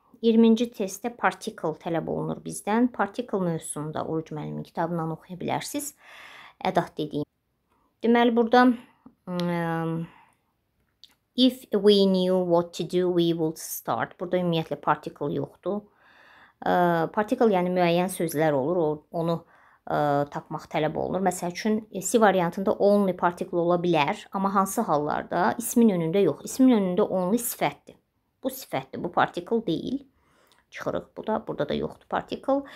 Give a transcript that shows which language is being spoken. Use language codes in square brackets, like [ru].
[az] 20-ci testdə particle tələb olunur bizdən. Particle mövzusunda Oruc müəllimin kitabından oxuya bilərsiniz. Ədat dediyim. [en] Deməli, burada if we knew what to do, we would start. [az] Burada ümumiyyətlə particle yoxdur. Particle, yəni müəyyən sözlər olur. Onu tapmaq tələb olunur. Məsəl üçün, C variantında only particle ola bilər. Amma hansı hallarda? İsmin önündə yox. İsmin önündə only sifətdir. Bu sifətdir, bu particle deyil. Çıxırıq bu da, burada da yoxdur particle.